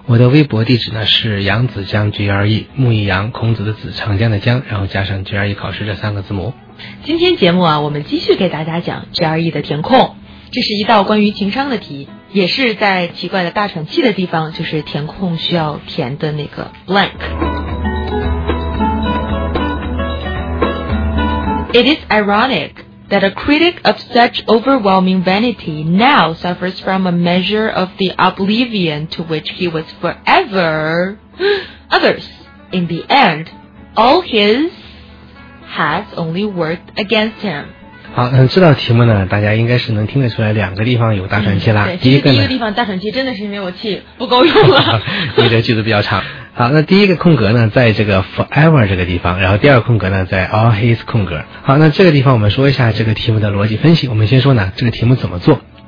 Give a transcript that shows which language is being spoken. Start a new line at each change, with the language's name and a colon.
Chinese: 我的微博地址呢是杨子江 GRE， 木易杨，孔子的子，长江的江，然后加上 GRE 考试这三个字母。今天节目啊，我们继续给大家讲 GRE 的填空，这是一道关于情商的题，也是在奇怪的大喘气的地方，就是填空需要填的那个 blank。
English: It is ironic that a critic of such overwhelming vanity now suffers from a measure of the oblivion to which he was forever others. In the end, all his has only worked against him.
Chinese: 好，那这道题目呢，大家应该是能听得出来两个地方有大喘气啦。对，其实第一个地方大喘气真的是因为我气不够用了。你的句子比较长。好，那第一个空格呢，在这个 forever 这个地方，然后第二个空格呢，在 all his 空格。好，那这个地方我们说一下这个题目的逻辑分析。我们先说呢，这个题目怎么做。